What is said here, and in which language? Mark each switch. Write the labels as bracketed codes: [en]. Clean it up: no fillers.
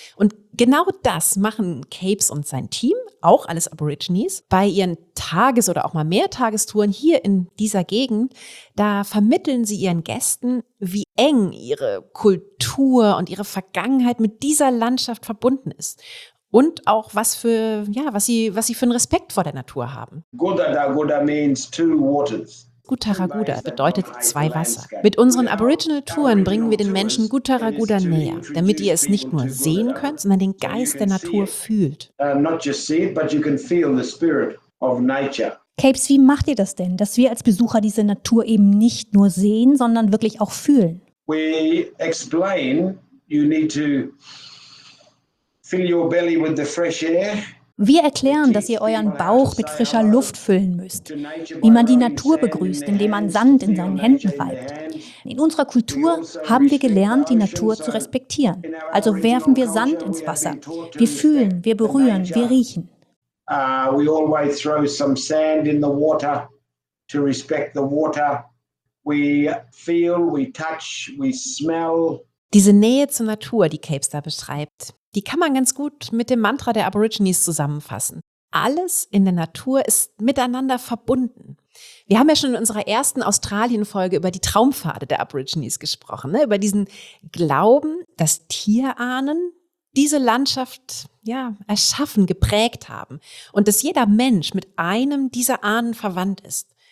[de] Und genau das machen Capes und sein Team, auch alles Aborigines, bei ihren Tages- oder auch mal Mehrtagestouren hier in dieser Gegend. Da vermitteln sie ihren Gästen, wie eng ihre Kultur und ihre Vergangenheit mit dieser Landschaft verbunden ist. Und auch was sie für einen Respekt vor der Natur haben. [en] Gudadaguda means two waters. [de] Gutaraguda bedeutet zwei Wasser. Mit unseren Aboriginal-Touren bringen wir den Menschen Gutaraguda näher, damit ihr es nicht nur sehen könnt, sondern den Geist der Natur fühlt. Capes, wie macht ihr das denn, dass wir als Besucher diese Natur eben nicht nur sehen, sondern wirklich auch fühlen? [en] We explain, you need to fill your belly with the fresh air. [de] Wir erklären, dass ihr euren Bauch mit frischer Luft füllen müsst, wie man die Natur begrüßt, indem man Sand in seinen Händen reibt. In unserer Kultur haben wir gelernt, die Natur zu respektieren. Also werfen wir Sand ins Wasser. Wir fühlen, wir berühren, wir riechen. [en] We always throw some sand in the water to respect the water. We feel, we touch, we smell. [de] Diese Nähe zur Natur, die Capes da beschreibt, die kann man ganz gut mit dem Mantra der Aborigines zusammenfassen. Alles in der Natur ist miteinander verbunden. Wir haben ja schon in unserer ersten Australien-Folge über die Traumpfade der Aborigines gesprochen, ne? Über diesen Glauben, dass Tierahnen diese Landschaft ja, erschaffen, geprägt haben und dass jeder Mensch mit einem dieser Ahnen verwandt ist.